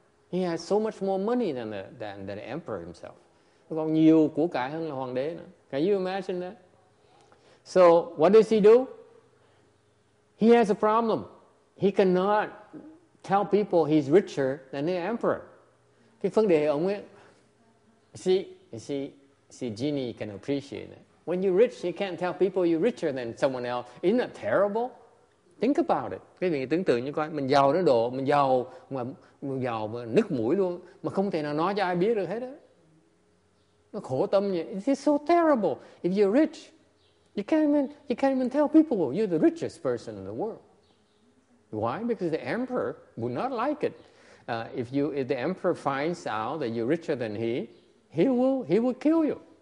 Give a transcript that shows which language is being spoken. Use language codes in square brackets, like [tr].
[en] He has so much more money than the emperor himself. [vi] Còn nhiều của cải hơn là hoàng đế nữa. [en] Can you imagine that? So, what does he do? He has a problem. He cannot tell people he's richer than the emperor. [vi] Cái vấn đề ông ấy. [en] See, Jeannie can appreciate that. When you're rich, you can't tell people you're richer than someone else. Isn't that terrible? Think about it. [vi] Cái việc tưởng tượng như coi mình giàu đến độ mình giàu mà nức mũi luôn mà không thể nào nói cho ai biết được hết á. Nó khổ tâm như [en] it is so terrible. If you're rich, you can't even tell people you're the richest person in the world. Why? Because the emperor would not like it. If the emperor finds out that you're richer than he will kill you.